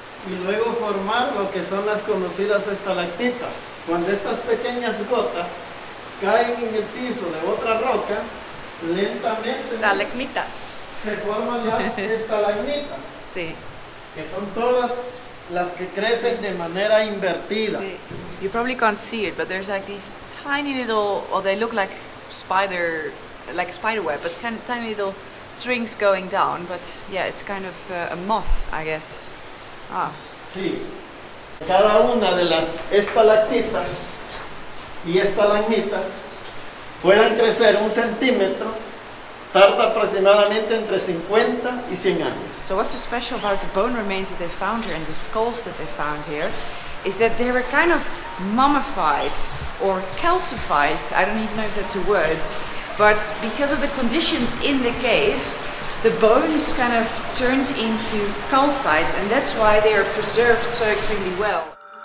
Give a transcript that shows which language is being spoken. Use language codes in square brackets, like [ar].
[es] Y luego formar lo que son las conocidas estalactitas. Cuando estas pequeñas gotas caen en el piso de otra roca, lentamente... Estalagmitas. Se forman las estalagmitas. Sí. Que son todas las que crecen de manera invertida. Sí. [en] You probably can't see it, but there's like these tiny little, or they look like spider, like a spider web, but kind of tiny little strings going down. But yeah, it's kind of a moth, I guess. Ah. [es] Sí. Cada una de las estalactitas y estalagmitas puedan crecer un centímetro, tarda aproximadamente entre 50 y 100 años. [en] So what's so special about the bone remains that they found here and the skulls that they found here is that they were kind of mummified or calcified, I don't even know if that's a word, but because of the conditions in the cave, the bones kind of turned into calcite, and that's why they are preserved so extremely well.